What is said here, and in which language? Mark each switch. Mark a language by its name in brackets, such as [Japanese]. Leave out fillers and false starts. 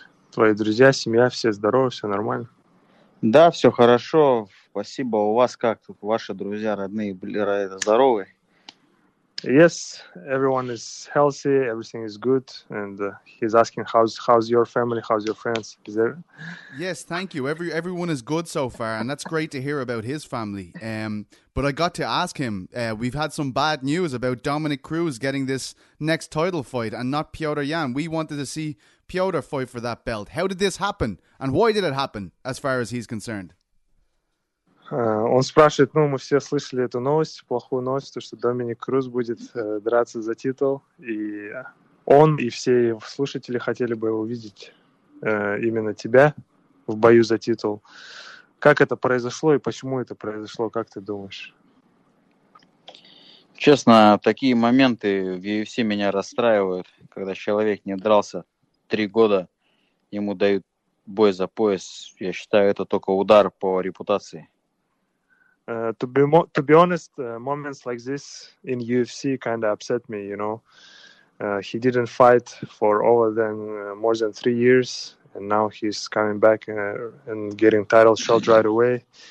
[Russian] Твои друзья, семья, все здоровы, все нормально. Да, все хорошо. Спасибо. У вас как? Ваши друзья, родные, были здоровы? [English] Yes, everyone is healthy, everything is good, and he's asking how's your family, how's your friends? Is there? Yes, thank you. Everyone is good so far, and that's great to hear about his family. But I got to ask him, we've had some bad news about Dominic Cruz getting this next title fight and not Pyotr Yan. We wanted to see Pyotr fight for that belt. How did this happen, and why did it happen, as far as he's concerned? [Russian] Он спрашивает, ну, мы все слышали эту новость, плохую новость, то, что Доминик Крус будет драться за титул, и он и все слушатели хотели бы увидеть именно тебя в бою за титул. Как это произошло и почему это произошло, как ты думаешь? Честно, такие моменты в UFC меня расстраивают, когда человек не дрался 3 года, ему дают бой за пояс. Я считаю, это только удар по репутации. [English] To be honest, moments like this in UFC kind of upset me, you know. He didn't fight for more than 3 years, and now he's coming back and getting title shot right away.